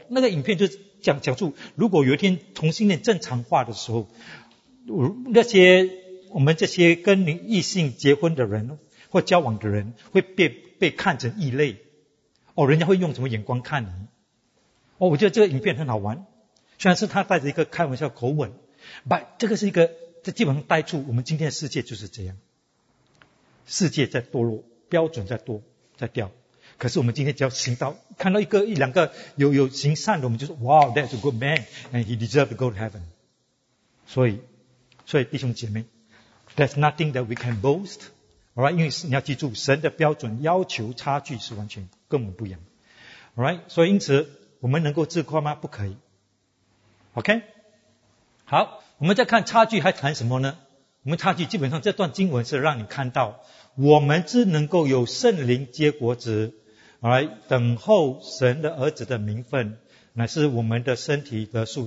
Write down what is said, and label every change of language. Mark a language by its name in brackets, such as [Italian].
[Chinese] 那个影片就讲述，如果有一天同性恋正常化的时候，我们这些跟异性结婚的人或交往的人会被看成异类。哦，人家会用什么眼光看你？哦，我觉得这个影片很好玩，虽然是他带着一个开玩笑口吻，但这个是一个，这基本上带出我们今天的世界就是这样，世界在堕落，标准在掉。可是我们今天只要看到一两个有行善的，我们就说 ， [English] Wow, that's a good man, and he deserves to go to heaven。 [Chinese] 所以弟兄姐妹 [English] ，there's nothing that we can boast。 [Chinese] Alright， 因为你要记住，神的标准要求差距是完全跟我们不一样。 Alright， 所以因此我们能够自夸吗？不可以。OK， 好，我们再看差距还谈什么呢？我们差距基本上这段经文是让你看到，我们只能够有圣灵结果子，来等候神的儿子的名分，乃是我们的身体得数。